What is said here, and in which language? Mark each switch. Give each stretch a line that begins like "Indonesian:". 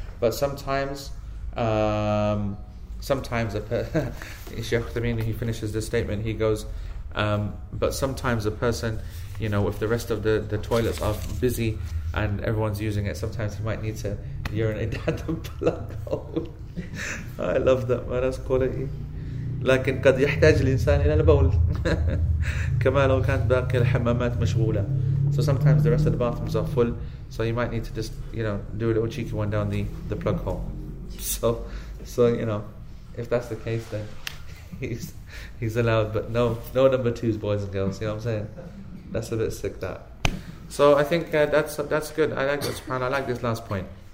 English: But sometimes, Sheikh Thameen, he finishes this statement, he goes, but sometimes a person, you know, if the rest of the toilets are busy and everyone's using it, sometimes he might need to urinate down the plug hole. I love that, man. That's quality.
Arabic: لكن قد يحتاج الإنسان إلى البول كما لو كانت باقي الحمامات مشغولة.
English: So sometimes the rest of the bathrooms are full, so you might need to just, you know, do a little cheeky one down the plug hole. So you know, if that's the case, then he's allowed. But no number twos, boys and girls. You know what I'm saying? That's a bit sick, that. So I think that's good. I like this. I like this last point.